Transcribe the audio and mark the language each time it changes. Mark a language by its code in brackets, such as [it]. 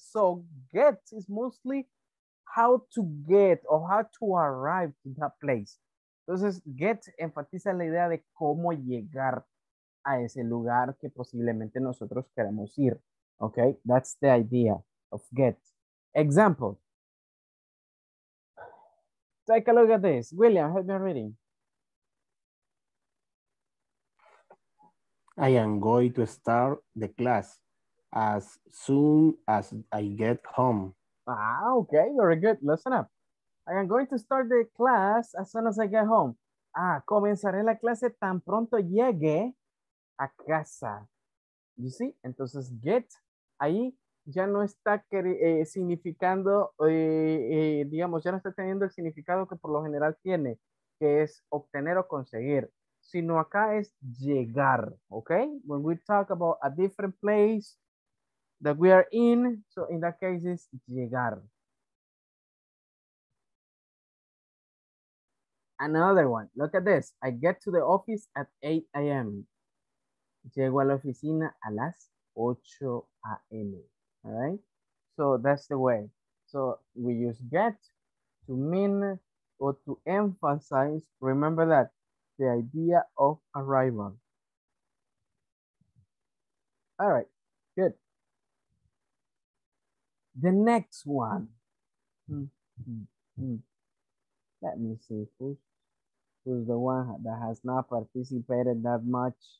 [en] So, get is mostly how to get or how to arrive to that place. [es] Entonces, get enfatiza la idea de cómo llegar a ese lugar que posiblemente nosotros queremos ir. [en] Okay, that's the idea. Of get. Example. Take a look at this. William, help me reading. I am going to start the class as soon as I get home. Ah, okay, very good. Listen up. I am going to start the class as soon as I get home. [es] Ah, comenzaré la clase tan pronto llegue a casa. [en] You see? [es] Entonces, get ahí ya no está significando, digamos, ya no está teniendo el significado que por lo general tiene, que es obtener o conseguir, sino acá es llegar, okay? [en] When we talk about a different place that we are in, so in that case is llegar. Another one, look at this. I get to the office at 8 a.m. [es] Llego a la oficina a las 8 a.m. [en] All right, so that's the way. So we use get to mean or to emphasize, remember that, the idea of arrival. All right, good. The next one. Let me see who's the one that has not participated that much.